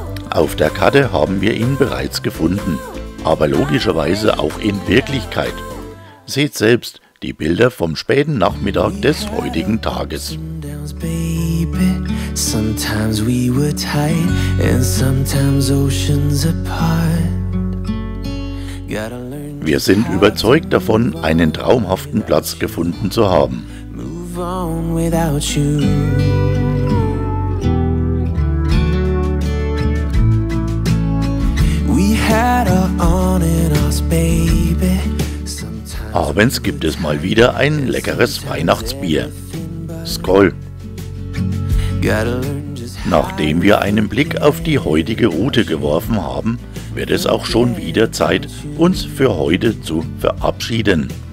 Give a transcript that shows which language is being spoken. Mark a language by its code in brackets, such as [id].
[de] Auf der Karte haben wir ihn bereits gefunden, aber logischerweise auch in Wirklichkeit. Seht selbst die Bilder vom späten Nachmittag des heutigen Tages. [en] Sometimes we were tight and sometimes oceans apart. [de] Wir sind überzeugt davon, einen traumhaften Platz gefunden zu haben. [en] Move on without you. We had our on and offs, baby. [de] Abends gibt es mal wieder ein leckeres Weihnachtsbier. Skoll! Nachdem wir einen Blick auf die heutige Route geworfen haben, wird es auch schon wieder Zeit, uns für heute zu verabschieden.